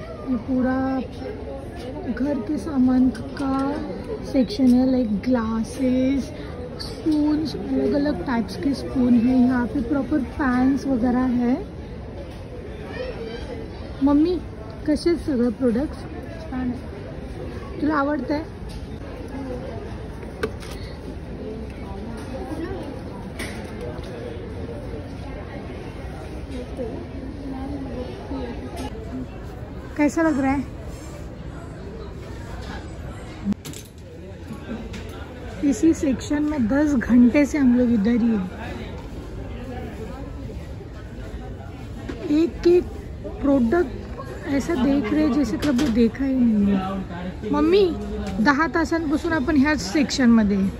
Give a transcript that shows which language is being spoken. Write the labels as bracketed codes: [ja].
[hi] ये पूरा घर के सामान का सेक्शन है, लाइक ग्लासेस, स्पून्स, अलग अलग टाइप्स के स्पून है. यहाँ पे प्रॉपर पैंस वगैरह है. [mr] मम्मी कसे सगळे प्रोडक्ट्स छान तुला आवडत आहे. [hi] कैसा लग रहा है? इसी सेक्शन में 10 घंटे से हम लोग इधर ही हैं. एक एक प्रोडक्ट ऐसा देख रहे जैसे कभी देखा ही नहीं. [mr] मम्मी 10 तासांपासून आपण ह्याच सेक्शन मध्ये.